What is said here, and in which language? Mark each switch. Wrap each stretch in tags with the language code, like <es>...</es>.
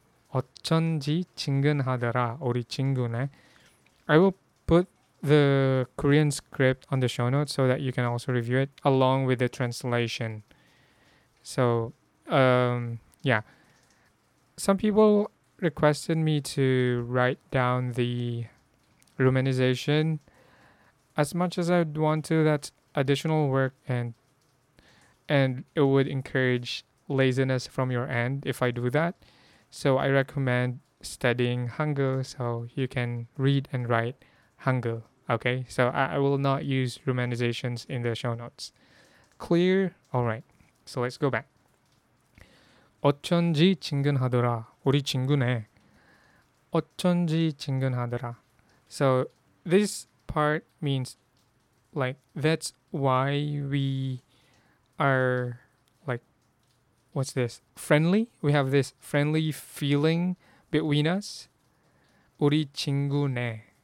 <ko>어쩐지 친근하더라 우리 친구네.</ko> <en>I will put the Korean script on the show notes so that you can also review it along with the translation. So, yeah. Some people requested me to write down the romanization. As much as I'd want to, that's additional work and it would encourage laziness from your end if I do that. So I recommend studying Hangul so you can read and write Hangul. Okay, so I will not use romanizations in the show notes. Clear? Alright, so let's go back.</en> <ko>어쩐지 친근하더라, 우리 친구네. 어쩐지 친근하더라.</ko> <en>So this part means like that's why we are like, what's this? Friendly? We have this friendly feeling between us.</en> <ko>우리 친구네.</ko>